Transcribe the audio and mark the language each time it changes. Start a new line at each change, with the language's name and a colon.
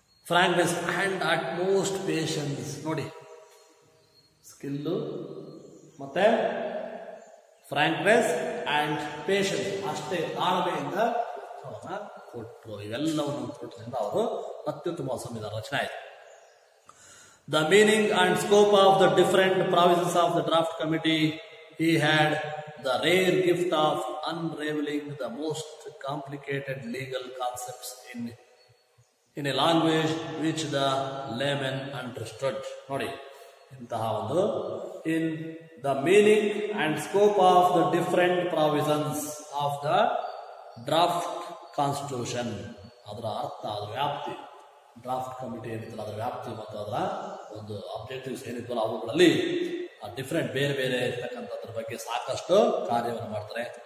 English: Frankness and utmost patience.
Kannada: ನೋಡಿ, skill ಮತ್ತು ಫ್ರ್ಯಾಂಕ್ನೆಸ್ and patience, ಅಷ್ಟೇ ತಾಳ್ಮೆಯಿಂದ ಉತ್ತರವನ್ನು ಕೊಟ್ಟರು. ಇವೆಲ್ಲವನ್ನು ಕೊಟ್ಟರಿಂದ ಅವರು ಅತ್ಯುತ್ತಮ ಸಂವಿಧಾನ ರಚನೆ ಆಯಿತು.
English: The meaning and scope of the different provisions of the draft committee, he had the rare gift of unraveling the most complicated legal concepts in a language which the layman understood.
Kannada: Nodi, intaha ondu,
English: in the meaning and scope of the different provisions of the draft constitution,
Kannada: adra artha adu vyapti, draft committee ಏನಿದ್ದಲ್ಲ ಅದರ ವ್ಯಾಪ್ತಿ ಮತ್ತು ಅದರ ಒಂದು objectives ಏನಿದ್ದಲ್ಲ ಅವುಗಳಲ್ಲಿ ಆ different ಬೇರೆ ಬೇರೆ ಇರ್ತಕ್ಕಂಥದ್ರ ಬಗ್ಗೆ ಸಾಕಷ್ಟು ಕಾರ್ಯವನ್ನು ಮಾಡ್ತಾರೆ.